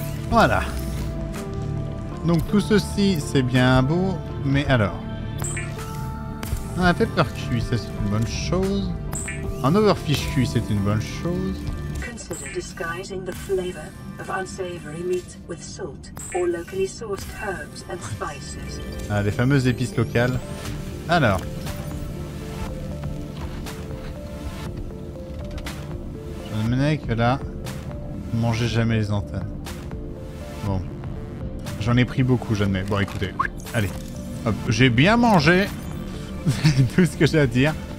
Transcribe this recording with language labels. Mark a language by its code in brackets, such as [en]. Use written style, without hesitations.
[fr] Voilà. Donc tout ceci, c'est bien beau, mais alors... Un paper cuit, c'est une bonne chose. Un overfish cuit, c'est une bonne chose. [en] Consider disguising the flavor of unsavory meat with salt or locally sourced herbs and spices. [fr] Ah, les fameuses épices locales. Alors... Je me mets que là... Mangez jamais les antennes. Bon. J'en ai pris beaucoup, j'admets. Bon, écoutez. Allez. Hop. J'ai bien mangé. Tout ce que j'ai à dire.